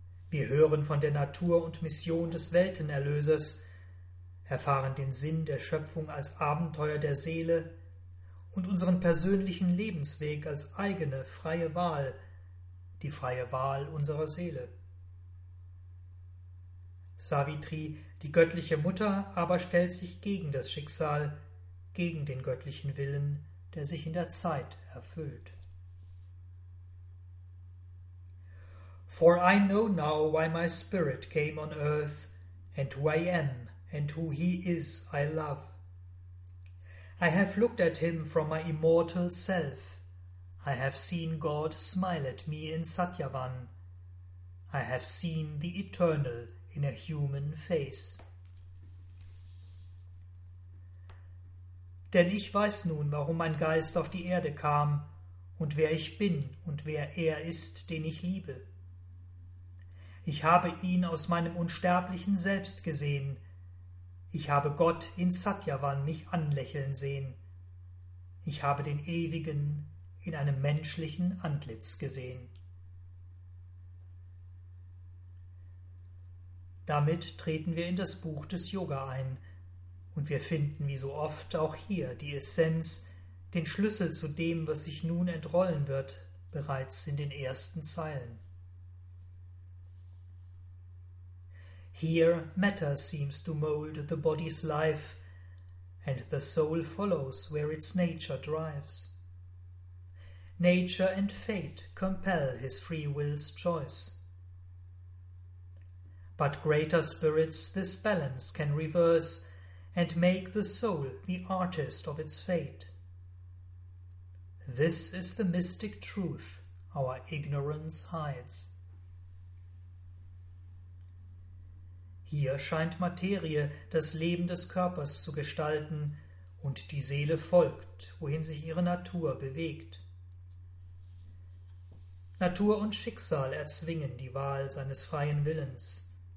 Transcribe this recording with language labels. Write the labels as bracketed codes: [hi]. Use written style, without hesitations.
[de] Wir hören von der Natur und Mission des Weltenerlösers, erfahren den Sinn der Schöpfung als Abenteuer der Seele und unseren persönlichen Lebensweg als eigene, freie Wahl, die freie Wahl unserer Seele. Savitri, die göttliche Mutter, aber stellt sich gegen das Schicksal, gegen den göttlichen Willen, der sich in der Zeit erfüllt. [en] For I know now why my spirit came on earth, and who I am, and who he is I love. I have looked at him from my immortal self. I have seen God smile at me in Satyavan. I have seen the eternal in a human face. [de] Denn ich weiß nun, warum mein Geist auf die Erde kam, und wer ich bin und wer er ist, den ich liebe. Ich habe ihn aus meinem unsterblichen Selbst gesehen. Ich habe Gott in Satyavan mich anlächeln sehen. Ich habe den Ewigen in einem menschlichen Antlitz gesehen. Damit treten wir in das Buch des Yoga ein, und wir finden wie so oft auch hier die Essenz, den Schlüssel zu dem, was sich nun entrollen wird, bereits in den ersten Zeilen. [en] Here matter seems to mold the body's life, and the soul follows where its nature drives. Nature and fate compel his free will's choice. But greater spirits this balance can reverse and make the soul the artist of its fate. This is the mystic truth our ignorance hides. [de] Hier scheint Materie das Leben des Körpers zu gestalten und die Seele folgt, wohin sich ihre Natur bewegt. Natur und Schicksal erzwingen die Wahl seines freien Willens.